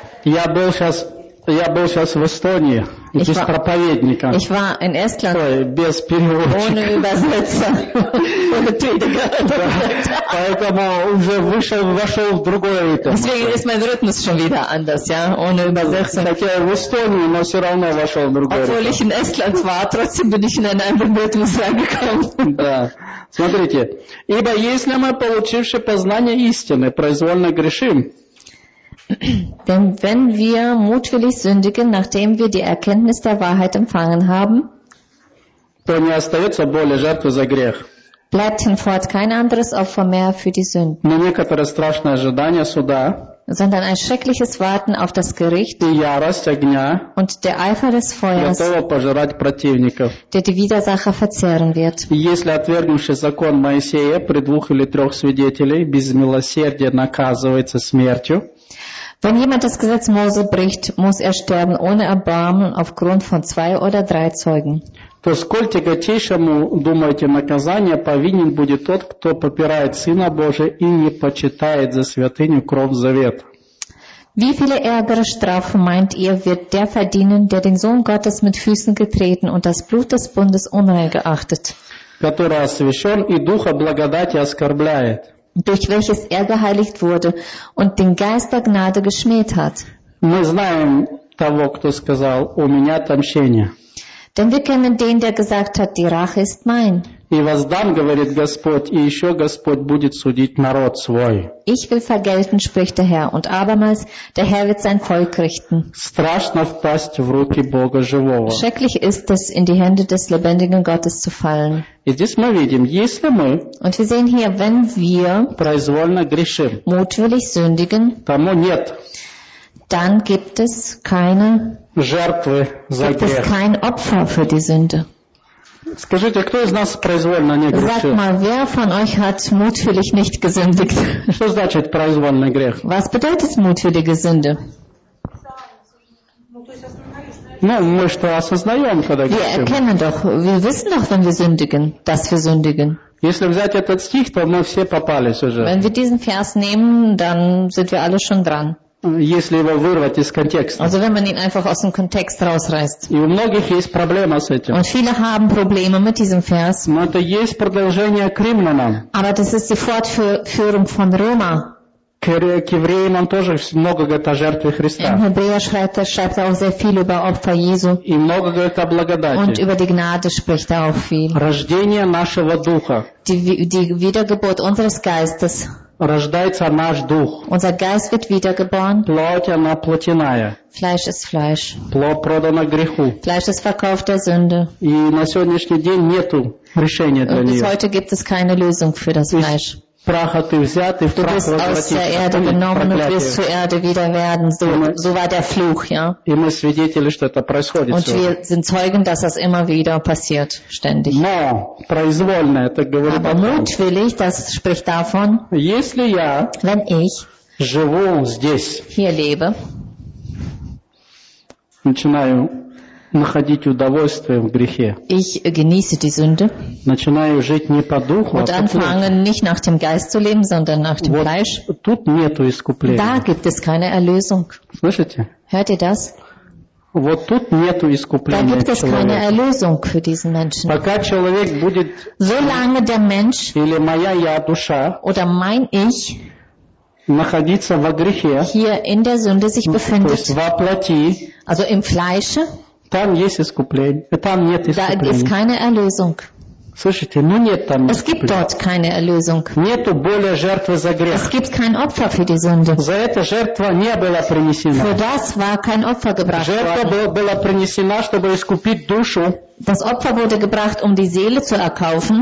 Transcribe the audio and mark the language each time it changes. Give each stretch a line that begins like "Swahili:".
Russian: Я был сейчас в Эстонии, без проповедника.
German: Ich war in Estland.
Russian: Ой, без переводчика.
German: Ohne Übersetzer. Ohne Prediger.
Russian: Поэтому уже вошел в другой ритм.
German: Deswegen ist mein Rhythmus schon wieder anders, ja? Ohne Übersetzer.
Russian: Так я в Эстонии, но все равно вошел в другой ритм.
German: Obwohl ich in Estland war, trotzdem bin ich in einen anderen Rhythmus reingekommen.
Russian: Да. Смотрите. Ибо если мы, получивши познание истины, произвольно грешим,
German: denn wenn wir mutwillig sündigen, nachdem wir die Erkenntnis der Wahrheit empfangen haben, bleibt hinfort kein anderes Opfer mehr für die Sünden, sondern ein schreckliches Warten auf das Gericht und der Eifer des Feuers, der die Widersacher verzehren wird.
Russian: Если отвергнувший закон Моисея при двух или трех свидетелей без милосердия наказывается смертью,
German: wenn jemand das Gesetz Mose bricht, muss er sterben ohne Erbarmen aufgrund von zwei oder drei Zeugen.
Russian: То сколь тяготейшему, думаете, наказание повинен будет тот, кто попирает Сына Божия и не почитает за святыню кровь завета.
German: Wie viele ärgere Strafen meint ihr, wird der verdienen, der den Sohn Gottes mit Füßen getreten und das Blut des Bundes unrein geachtet,
Russian: который освящен и духа благодати оскорбляет,
German: durch welches er geheiligt wurde und den Geist der Gnade geschmäht hat.
Russian: Мы знаем того, кто сказал, у меня отмщение.
German: Denn wir kennen den, der gesagt hat, die Rache ist mein.
Russian: И воздам, говорит Господь, и еще Господь будет судить народ свой.
German: Ich will vergelten, spricht der Herr, und abermals, der Herr wird sein Volk richten.
Russian: Страшно впасть в руки Бога живого.
German: Schrecklich ist es, in die Hände des lebendigen Gottes zu fallen.
Russian: И здесь мы видим, если мы,
German: und wir sehen hier, wenn wir
Russian: произвольно грешим,
German: mutwillig sündigen,
Russian: тому нет.
German: Dann gibt es keine
Russian: жертвы за грех.
German: Gibt es kein Opfer für die Sünde.
Russian: Скажите, кто из нас произвольно не грешил?
German: Sag mal, wer von euch hat mutwillig nicht gesündigt?
Russian: Что значит произвольный грех?
German: Was bedeutet mutwillige Sünde?
Russian: Ну, мы что осознаем, когда грешим?
German: Wir erkennen doch, wir wissen doch, wenn wir sündigen, dass wir sündigen.
Russian: Если взять этот стих, то мы все попались уже.
German: Wenn wir diesen Vers nehmen, dann sind wir alle schon dran.
Russian: Если его вырвать из контекста.
German: Also wenn man ihn einfach aus dem Kontext rausreißt.
Russian: И у многих есть проблема с этим.
German: Und viele haben Probleme mit diesem Vers.
Russian: Но это есть продолжение к Римлянам.
German: Aber das ist die Fortführung von Roma.
Russian: К Евреям он тоже много говорит о жертве Христа.
German: In Hebräer schreibt er auch sehr viel über Opfer Jesu.
Russian: И много говорит о благодати.
German: Und über die Gnade spricht er auch viel.
Russian: Рождение нашего духа.
German: Die Wiedergeburt unseres Geistes.
Russian: Рождается наш дух.
German: Unser Geist wird wiedergeboren.
Russian: Плоть, она плотяная.
German: Fleisch ist Fleisch.
Russian: Плоть продана греху.
German: Fleisch ist verkauft der Sünde.
Russian: И на сегодняшний день нету решения для нее.
German: Bis heute gibt es keine Lösung für das Fleisch.
Russian: Праха ты взят, и в прах возвратишься.
German: Du bist aus der Erde genommen und wirst zur Erde wieder werden. So war der Fluch, ja.
Russian: И мы свидетели, что это происходит.
German: Und wir sind Zeugen, dass das immer wieder passiert, ständig.
Russian: Но произвольно, это говорит Бог.
German: Aber mutwillig, das spricht davon.
Russian: Если я,
German: wenn ich,
Russian: живу здесь,
German: hier lebe,
Russian: начинаю находить удовольствие в грехе.
German: Ich genieße die Sünde.
Russian: Начинаю жить не по духу,
German: und anfange nicht nach dem Geist zu leben, sondern nach dem Fleisch.
Russian: Тут нету искупления.
German: Da gibt es keine Erlösung.
Russian: Слышите?
German: Hört ihr das?
Russian: Вот тут нету искупления.
German: Da gibt es keine Erlösung für diesen Menschen.
Russian: Пока человек будет,
German: solange der Mensch,
Russian: или моя я душа,
German: oder mein Ich,
Russian: находиться во грехе,
German: hier in der Sünde sich befindet,
Russian: то есть во плоти,
German: also im Fleische,
Russian: там есть искупление, там нет искупления.
German: Da ist keine Erlösung.
Russian: Слышите, ну нет там искупления.
German: Es gibt dort keine Erlösung.
Russian: Нету более жертвы за грех.
German: Es gibt kein Opfer für die Sünde.
Russian: За это жертва не была принесена.
German: Für das war kein Opfer gebracht.
Russian: Жертва была принесена, чтобы искупить душу.
German: Das Opfer wurde gebracht, um die Seele zu erkaufen.